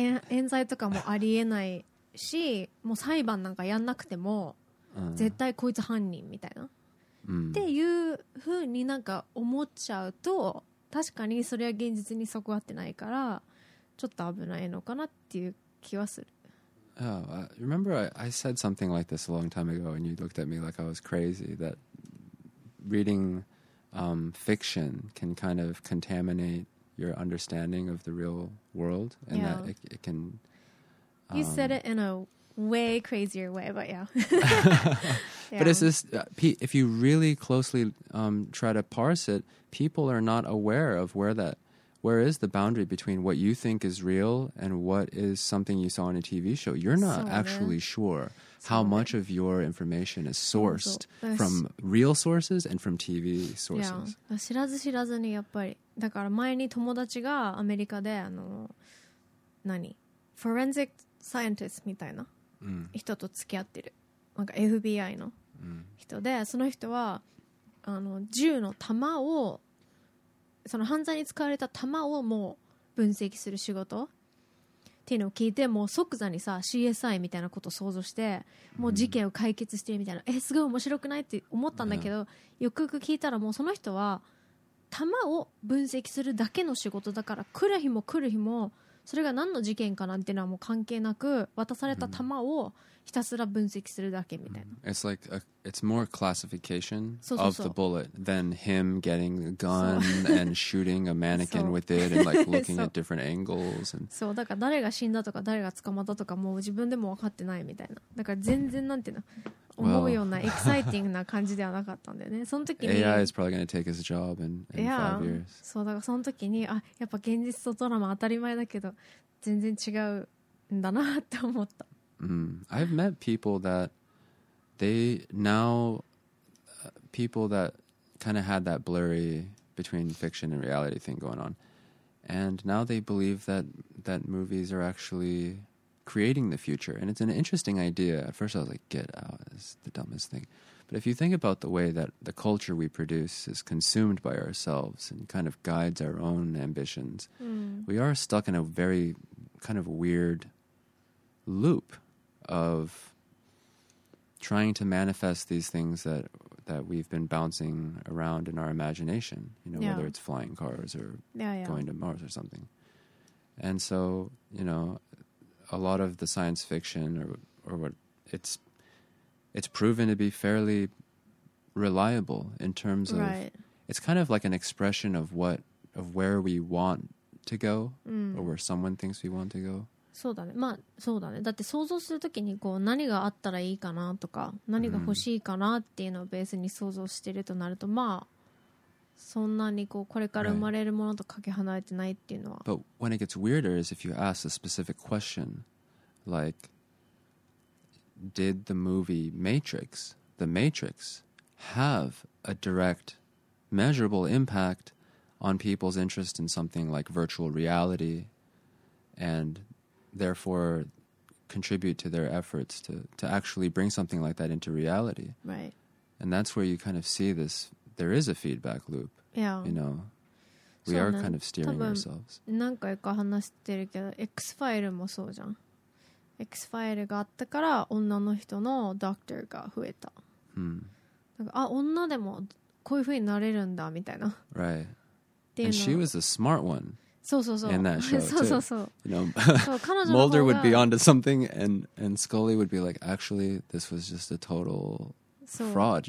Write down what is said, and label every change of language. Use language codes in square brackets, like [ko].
[ja] 冤罪とかもありえないし、もう裁判なんかやんなくても絶対こいつ犯人みたいな、っていう風になんか思っちゃうと確かにそれは現実にそこ合ってないからちょっと危ないのかなっていう気はする。 [en] Oh, remember I said something like this a long time ago and you looked at me like I was crazy that reading fiction can kind of contaminate your understanding of the real world, and that it can. You said it in a way crazier way, but yeah. But it's just, if you really closely try to parse it, people are not aware of where is the boundary between what you think is real and what is something you saw on a TV show. You're not actually sure how much of your information is sourced from real sources and from TV sources. Yeah. [ja] 知らず知らずにやっぱり、だから前に友達がアメリカであの、何、フォレンジックサイエンティストみたいな人と付き合ってる。なんか FBI の人で、その人はあの銃の弾を、その犯罪に使われた弾をもう分析する仕事っていうのを聞いて、もう即座にさ CSI みたいなことを想像して、もう事件を解決してるみたいな、すごい面白くないって思ったんだけど、よくよく聞いたらもうその人は弾を分析するだけの仕事だから、来る日も来る日もそれが何の事件かなんていうのはもう関係なく、渡された弾をひたすら分析するだけみたいな。 [en] It's like a, it's more classification of the bullet than him getting a gun and shooting a mannequin with it and like looking at different angles. And [ja] そう、だから誰が死んだとか誰が捕まったとかもう自分でも分かってないみたいな。だから全然なんていうの、思うようなエキサイティングな感じではなかったんだよね。その時に [en] AI is probably going to take his job in five years. [ja] そう、だからその時に、あ、やっぱ現実とドラマ当たり前だけど全然違うんだなって思った。 [en] I've met people that they now, people that kind of had that blurry between fiction and reality thing going on, and now they believe that that movies are actually creating the future. And it's an interesting idea. At first I was like, get out, it's the dumbest thing. But if you think about the way that the culture we produce is consumed by ourselves and kind of guides our own ambitions, we are stuck in a very kind of weird loop of trying to manifest these things that that we've been bouncing around in our imagination, you know, whether it's flying cars or going to Mars or something. And so, you know, a lot of the science fiction or what it's proven to be fairly reliable in terms of it's kind of like an expression of what of where we want to go or where someone thinks we want to go. [ja] そうだね、まあそうだね、だって想像するときにこう何があったらいいかなとか何が欲しいかなっていうのをベースに想像してるとなると、まあそんなにこうこれから生まれるものとかけ離れてないっていうのは、 [en] But when it gets weirder is if you ask a specific question like did the movie Matrix, the Matrix have a direct measurable impact on people's interest in something like virtual reality and therefore contribute to their efforts to actually bring something like that into reality. Right. And that's where you kind of see this, there is a feedback loop. Yeah. You know, we are kind of steering ourselves. [ja] 何回か話してるけど、X-File もそうじゃん。 X-File があったから女の人のドクターが増えた。なんか、あ、女でもこういう風になれるんだみたいな。 [en] Right. And she was a smart one. [ja] そうそうそう。 [en] In that show too. [ja] そうそうそう。 [en] You know, Mulder would be onto something and Scully would be like, actually, this was just a total fraud.